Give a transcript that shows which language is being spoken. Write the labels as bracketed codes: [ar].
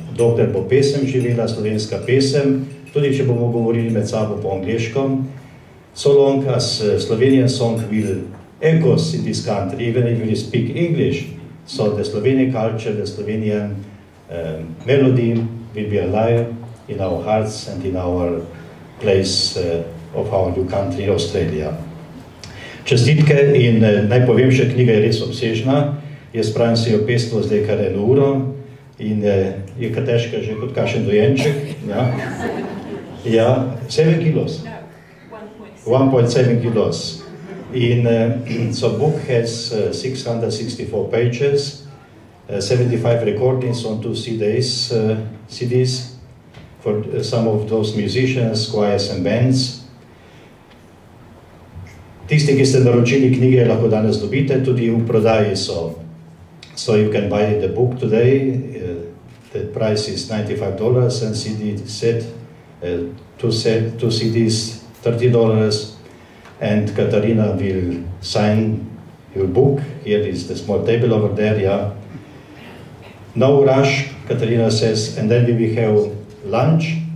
[sl] Dokler bo pesem živela, slovenska pesem, tudi če bomo govorili med sabo po angliškom, [en] so long as Slovenian song will echoes in this country, even if we speak English, so the Slovenian culture, the Slovenian melody will be alive in our hearts and in our place of our new country, Australia. [sl] Čestitke in naj povem še, knjiga je res obsežna, jaz pravim si jo pestvo zdaj kar eno uro in je kar težka že kot kašen dojenček, ja, ja [en] 7 kilos. 1.7 kilos. In so book has 664 pages, 75 recordings on 2 CDs, CDs for some of those musicians, choirs and bands. [sl] Tisti, ki ste naročili knjige, lahko danes dobite, tudi v prodaji so. [en] So you can buy the book today, the price is $95 and CD set, two CDs, $30. And Katarina will sign your book. Here is the small table over there, yeah. No rush, Katarina says, and then we will have lunch.